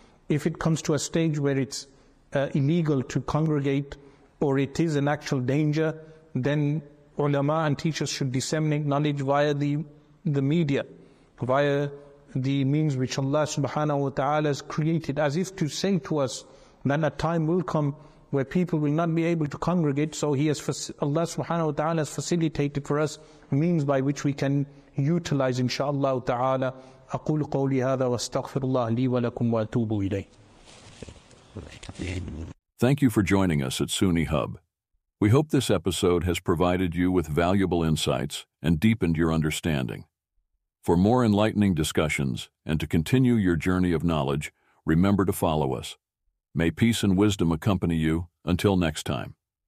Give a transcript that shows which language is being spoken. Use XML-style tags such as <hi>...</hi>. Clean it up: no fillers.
<en>If it comes to a stage where it's illegal to congregate, or it is an actual danger, then ulama and teachers should disseminate knowledge via the media, via the means which Allah subhanahu wa ta'ala has created, as if to say to us that a time will come where people will not be able to congregate, so Allah subhanahu wa ta'ala has facilitated for us means by which we can utilize, inshaAllah ta'ala.</en> <ar>أقول قولي هذا واستغفر الله لي ولكم وأتوب إليه.</ar> <en>Thank you for joining us at SUNY Hub. We hope this episode has provided you with valuable insights and deepened your understanding. For more enlightening discussions and to continue your journey of knowledge, remember to follow us. May peace and wisdom accompany you. Until next time.</en>